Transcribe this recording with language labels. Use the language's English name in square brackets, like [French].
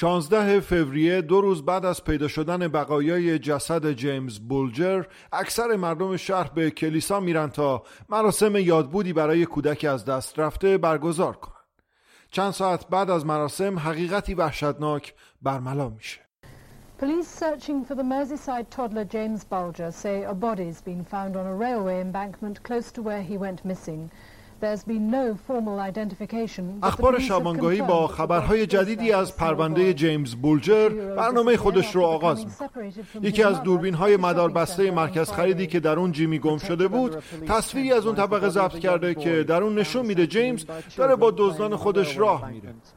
[Persian] 16 فوریه، 2 روز بعد از پیدا شدن بقایای جسد جیمز بولجر، اکثر مردم شهر به کلیسا میرن تا مراسم یادبودی برای کودکی از دست رفته برگزار کنن. چند ساعت بعد از مراسم حقیقتی وحشتناک برملا میشه. [English] Police searching for the Merseyside toddler James Bulger say a body's been found on a railway embankment close to where he went missing. There's been no formal identification. [Persian] اخبار شبانگاهی با خبرهای جدیدی از پرونده جیمز بولجر برنامه خودش رو آغاز می‌کنه. یکی از دوربین‌های مداربسته مرکز خریدی که در اون جیمی گم شده بود، تصویری از اون طبقه ضبط کرده که در اون نشون میده جیمز داره با دزدان خودش راه میره.